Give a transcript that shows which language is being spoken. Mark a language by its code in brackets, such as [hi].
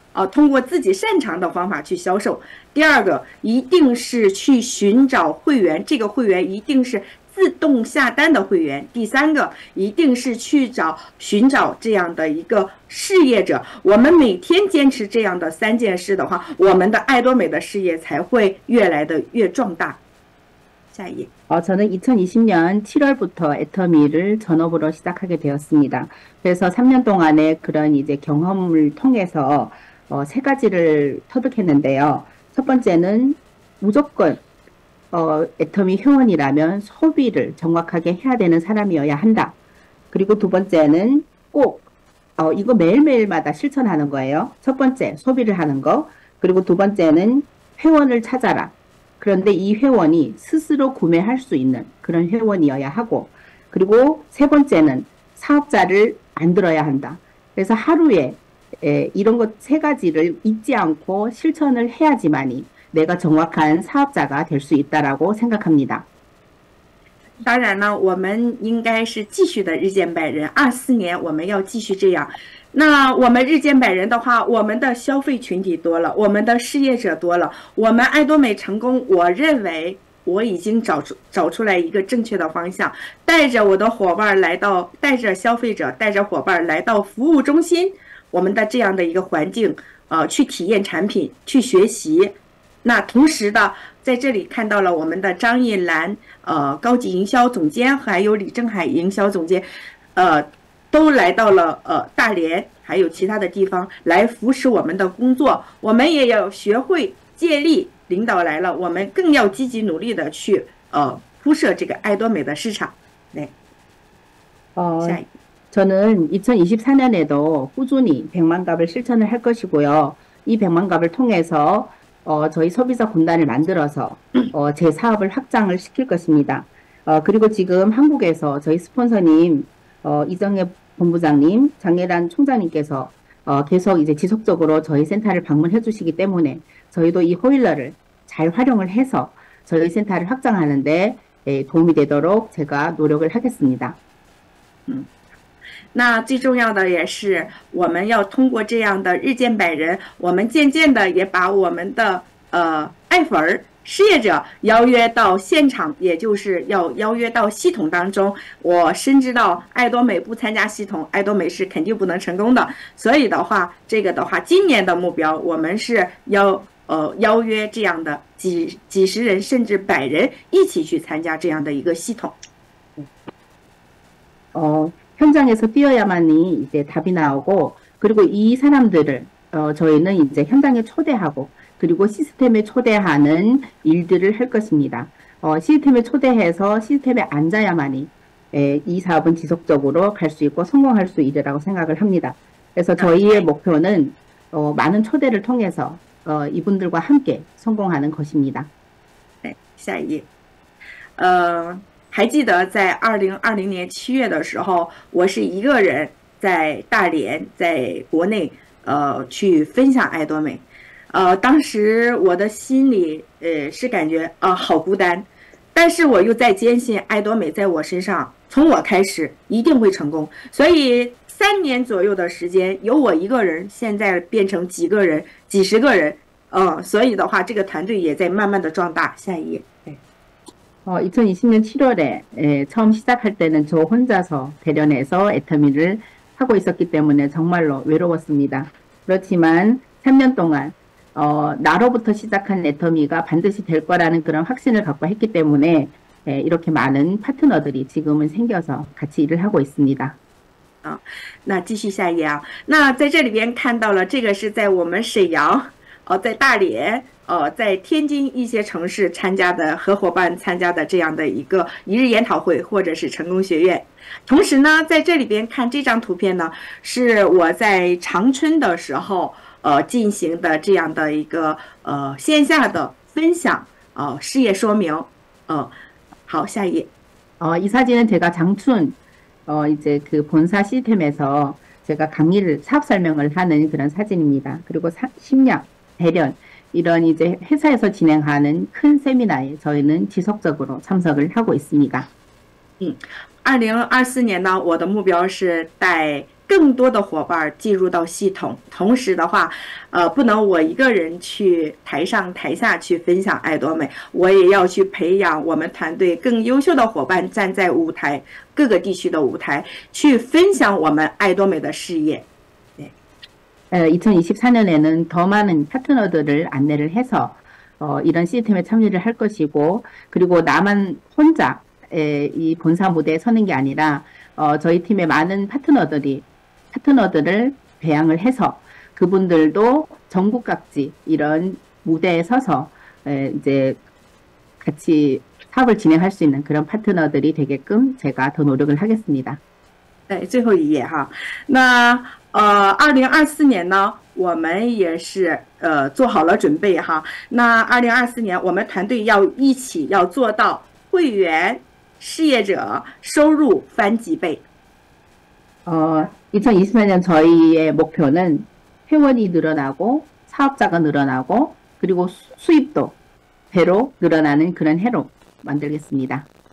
[zh] 通过自己擅长的方法去销售。第二个，一定是去寻找会员，这个会员一定是自动下单的会员。第三个，一定是去找寻找这样的一个事业者。我们每天坚持这样的3件事的话，我们的爱多美的事业才会越来的越壮大。下一页。 [ko] 저는 2020년 7월부터 애터미를 전업으로 시작하게 되었습니다. 그래서 3년 동안의 그런 이제 경험을 통해서 세 가지를 터득했는데요. 첫 번째는 무조건 애터미 회원이라면 소비를 정확하게 해야 되는 사람이어야 한다. 그리고 두 번째는 꼭 이거 매일매일마다 실천하는 거예요. 첫 번째, 소비를 하는 거. 그리고 두 번째는 회원을 찾아라. 그런데 이 회원이 스스로 구매할 수 있는 그런 회원이어야 하고, 그리고 세 번째는 사업자를 만들어야 한다. 그래서 하루에 이런 것세 가지를 잊지 않고 실천을 해야지만이 내가 정확한 사업자가 될수 있다라고 생각합니다. [zh] 当然呢，我们应该是继续的日见百人。 24年我们要继续这样。那我们日见百人的话，我们的消费群体多了，我们的事业者多了，我们爱多美成功，我认为我已经找出来一个正确的方向，带着我的伙伴来到，带着消费者，带着伙伴来到服务中心，我们的这样的一个环境，去体验产品，去学习。那同时的，在这里看到了我们的张艺兰，高级营销总监，还有李正海营销总监，都来到了大连，还有其他的地方来扶持我们的工作。我们也要学会借力，领导来了，我们更要积极努力的去铺设这个爱多美的市场。来，下一。 [ko] 저는 2024년에도 꾸준히 100만갑을 실천을 할 것이고요. 이 100만갑을 통해서 저희 소비자 군단을 만들어서 제 사업을 확장을 시킬 것입니다. 그리고 지금 한국에서 저희 스폰서님, 이정혜 본부장님, 장예란 총장님께서 계속 이제 지속적으로 저희 센터를 방문해 주시기 때문에 저희도 이 호일러를 잘 활용을 해서 저희 센터를 확장하는 데 도움이 되도록 제가 노력을 하겠습니다. [zh] 那最重要的也是，我们要通过这样的日渐百人，我们渐渐的也把我们的爱粉儿失业者邀约到现场，也就是要邀约到系统当中。我深知到爱多美不参加系统，爱多美是肯定不能成功的。所以的话，这个的话，今年的目标我们是要邀约这样的几十人甚至百人一起去参加这样的一个系统。 [ko] 현장에서 뛰어야만이 이제 답이 나오고, 그리고 이 사람들을, 저희는 이제 현장에 초대하고, 그리고 시스템에 초대하는 일들을 할 것입니다. 시스템에 초대해서 시스템에 앉아야만이, 이 사업은 지속적으로 갈수 있고 성공할 수 있다고 생각을 합니다. 그래서 저희의 목표는, 많은 초대를 통해서, 이분들과 함께 성공하는 것입니다. [zh] 下一页，还记得在2020年7月的时候，我是一个人在大连，在国内，去分享爱多美，当时我的心里，是感觉好孤单，但是我又在坚信爱多美在我身上，从我开始一定会成功，所以3年左右的时间，由我一个人现在变成几个人，几十个人，所以的话，这个团队也在慢慢的壮大。下一页。 [ko] 2020년 7월에 처음 시작할 때는 저 혼자서 대련해서 애터미를 하고 있었기 때문에 정말로 외로웠습니다. 그렇지만 3년 동안 나로부터 시작한 애터미가 반드시 될 거라는 그런 확신을 갖고 했기 때문에 이렇게 많은 파트너들이 지금은 생겨서 같이 일을 하고 있습니다. [zh] 那继续下一页啊。那在这里边看到了，这个是在我们沈阳，在大连，在天津一些城市参加的合伙伴参加的这样的一个一日研讨会，或者是成功学院。同时呢，在这里边看这张图片呢，是我在长春的时候，进行的这样的一个线下的分享，事业说明。好，下一页。 [ko] 이 사진은 제가 장춘, 이제 그 본사 시스템에서 제가 강의를, 사업 설명을 하는 그런 사진입니다. 그리고 심야, 대련, 이런 이제 회사에서 진행하는 큰 세미나에 저희는 지속적으로 참석을 하고 있습니다. [zh] 2024年呢，我的目标是带更多的伙伴进入到系统。同时的话，不能我一个人去台上台下去分享爱多美，我也要去培养我们团队更优秀的伙伴站在舞台，各个地区的舞台去分享我们爱多美的事业。 [ko] 2024년에는 더 많은 파트너들을 안내를 해서 이런 시스템에 참여를 할 것이고, 그리고 나만 혼자 이 본사 무대에 서는 게 아니라 저희 팀의 많은 파트너들을 배양을 해서 그분들도 전국 각지 이런 무대에 서서 이제 같이 사업을 진행할 수 있는 그런 파트너들이 되게끔 제가 더 노력을 하겠습니다. [zh] 哎，最后一页哈，那2024年呢，我们也是做好了准备哈。那2024年，我们团队要一起要做到会员、事业者收入翻几倍。 [ko] 2024년 저희의 목표는 회원이 늘어나고, 사업자가 늘어나고, 그리고 수입도 배로 늘어나는 그런 해로 만들겠습니다.